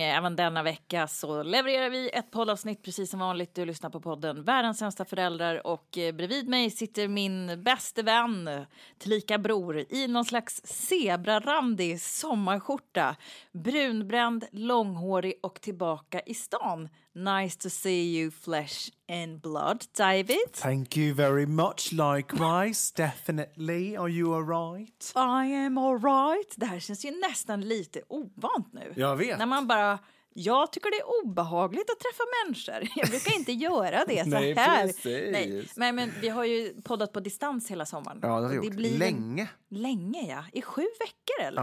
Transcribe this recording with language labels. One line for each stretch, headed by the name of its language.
Swedish: Även denna vecka så levererar vi ett poddavsnitt precis som vanligt. Du lyssnar på podden Världens sämsta föräldrar, och bredvid mig sitter min bäste vän, tillika bror, i någon slags zebrarandig sommarskjorta. Brunbränd, långhårig och tillbaka i stan.
English: Nice to see you, flesh and blood, David. Thank you very much, likewise. Definitely. Are you all right? I am all right.
Swedish: Det här känns ju nästan lite ovant nu. Jag vet. När man bara, jag tycker det är obehagligt att träffa människor. Jag brukar inte göra det så här. Nej, precis. Men vi har ju poddat på distans hela sommaren. Ja, det har vi gjort. Länge. Länge, ja. I 7 veckor, eller?